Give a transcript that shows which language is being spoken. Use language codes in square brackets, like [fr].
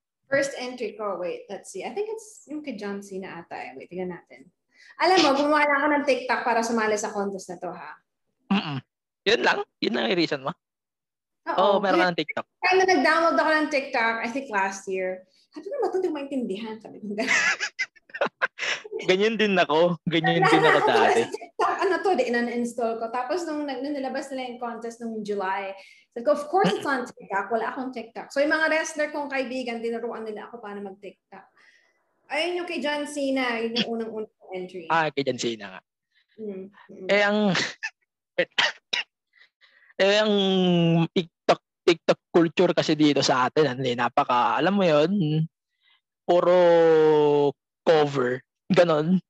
[en] First entry ko, wait, let's see. I think it's [tl] yung kay John Cena ata eh. Wait, tignan natin. Alam mo, gumawa lang ako ng TikTok para sumali sa contest na to, ha? Mm-mm. Yun lang? Yun lang yung reason mo? Oo, meron ka ng TikTok. Kaya na nag-download ako ng TikTok, I think last year. Sabi ko naman, hindi ko maintindihan. Sabi ko gano'n. Ganyan din ako. Ganyan din ako dati. Ano to, di in-install ko. Tapos nung nilabas nila yung contest nung July, sabi ko, [en] of course it's on TikTok. [tl] Wala akong TikTok. So yung mga wrestler kong kaibigan, dinaruan nila ako paano mag-TikTok. Ayun yung kay John Cena, yun yung unang-unang entry. Ah, kay John Cena nga. Eh, ang... eh, ang TikTok culture kasi dito sa atin, napaka, alam mo yun, puro cover. Ganon.